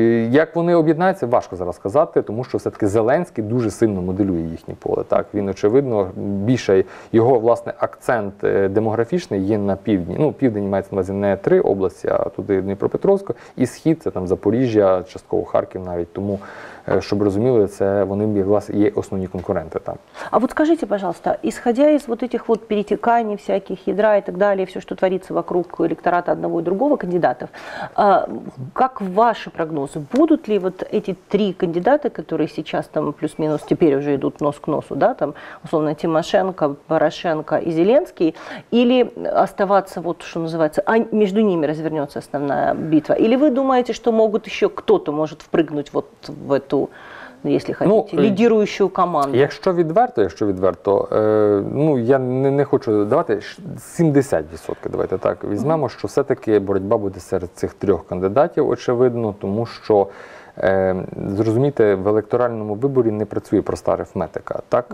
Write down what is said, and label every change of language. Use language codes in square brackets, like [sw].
[uk] Як вони об'єднаються, важко зараз сказати, тому що все-таки Зеленський дуже сильно моделює їхнє поле. Так? Він, очевидно, більше його власне акцент демографічний є на півдні. Ну, південь мається на увазі не три області, а туди Дніпропетровська, і схід це там Запоріжжя, частково Харків навіть. Тому, щоб розуміли, це вони власне, є основні конкуренти там. А от скажіть, будь ласка, [ru] ісходя із вот этих вот перетікань всяких, ядра і так далі, все, що твориться вокруг електората одного і другого кандидатів, [uk] як ваші прогнози, [ru] будуть ли вот эти три кандидата, которые сейчас там плюс-минус теперь уже идут нос к носу, да, там, условно, Тимошенко, Порошенко и Зеленский, или оставаться вот, что называется, а между ними развернется основная битва, или вы думаете, что могут еще кто-то может впрыгнуть вот в эту, если хотите, ну, лидирующую команду? [uk] Якщо відверто, ну, я не хочу, давайте 70%, давайте так, візьмемо, що все-таки боротьба буде серед цих трьох кандидатів, очевидно, тому що, зрозумійте, в електоральному виборі не працює проста арифметика, так?